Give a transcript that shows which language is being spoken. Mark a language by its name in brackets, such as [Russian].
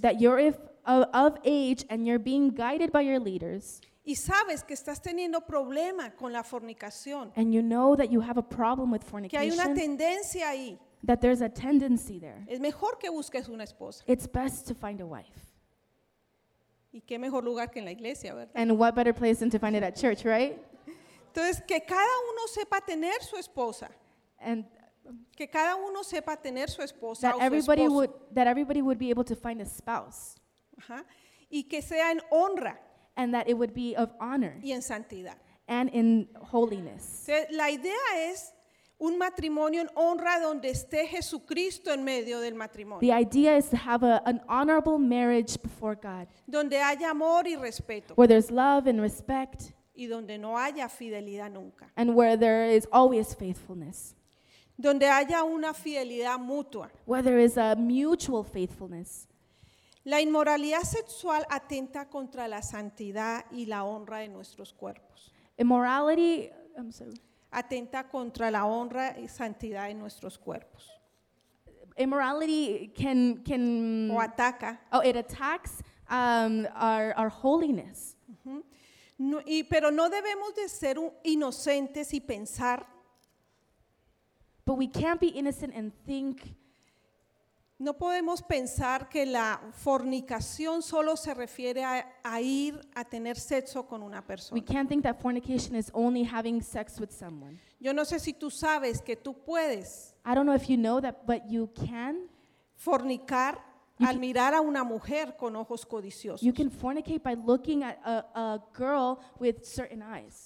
[English] that you're of age and you're being guided by your leaders, [Spanish] y sabes que estás teniendo problema con la fornicación, [English] and you know that you have a problem with fornication, [Spanish] que hay una tendencia ahí, [English] that there's a tendency there, [Spanish] es mejor que busques una esposa. [English] It's best to find a wife. [Spanish] Y qué mejor lugar que en la iglesia, ¿verdad? [English] And what better place than to find it at church, right? [Spanish] Entonces, que cada uno sepa tener su esposa. [English] And [Spanish] que cada uno sepa tener su esposa, [English] that [Spanish] o su [English] everybody [Spanish] esposo. [English] That everybody would be able to find a spouse. [Spanish] Uh-huh. Y que sea en honra. [English] And that it would be of honor. [Spanish] Y en santidad. [English] And in holiness. [Spanish] La idea es un matrimonio en honra donde esté Jesucristo en medio del matrimonio. [English] The idea is to have an honorable marriage before God. [Spanish] Donde haya amor y respeto. [English] Where there's love and respect. [Spanish] Y donde no haya fidelidad nunca. [English] And where there is always faithfulness. [Spanish] Donde haya una fidelidad mutua. [English] Where there is a mutual faithfulness. [Spanish] La inmoralidad sexual atenta contra la santidad y la honra de nuestros cuerpos. [English] Immorality, I'm sorry. [Spanish] Atenta contra la honra y santidad de nuestros cuerpos. [English] Immorality can [Spanish] o ataca. [English] Oh, it attacks our holiness. Mm-hmm. [Spanish] No, y, pero no debemos de ser inocentes y pensar. [English] But we can't be innocent and think. [Spanish] No podemos pensar que la fornicación solo se refiere a ir a tener sexo con una persona. [English] We can't think that fornication is only having sex with someone. [Spanish] Yo no sé si tú sabes que tú puedes. [English] I don't know if you know that, but you can. [Spanish] Fornicar. You al mirar a una mujer con ojos codiciosos. [English] You can fornicate by looking at a girl with certain eyes.